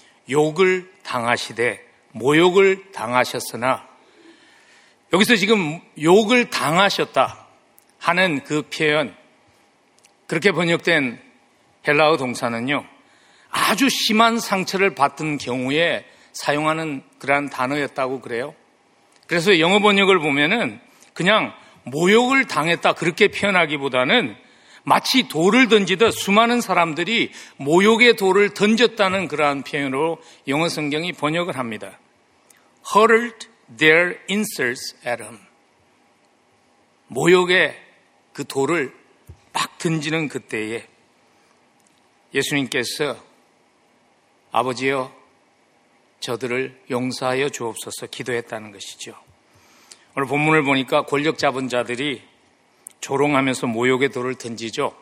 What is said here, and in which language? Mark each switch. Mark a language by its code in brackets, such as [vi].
[ko] 욕을 당하시되, 모욕을 당하셨으나, 여기서 지금 욕을 당하셨다 하는 그 표현, 그렇게 번역된 헬라어 동사는요, 아주 심한 상처를 받은 경우에 사용하는 그러한 단어였다고 그래요. 그래서 영어 번역을 보면은 그냥 모욕을 당했다 그렇게 표현하기보다는 마치 돌을 던지듯 수많은 사람들이 모욕의 돌을 던졌다는 그러한 표현으로 영어 성경이 번역을 합니다. [en] Hurled their insults at him. [ko] 모욕의 그 돌을 막 던지는 그때에 예수님께서 아버지여 저들을 용서하여 주옵소서 기도했다는 것이죠. 오늘 본문을 보니까 권력 잡은 자들이 조롱하면서 모욕의 돌을 던지죠.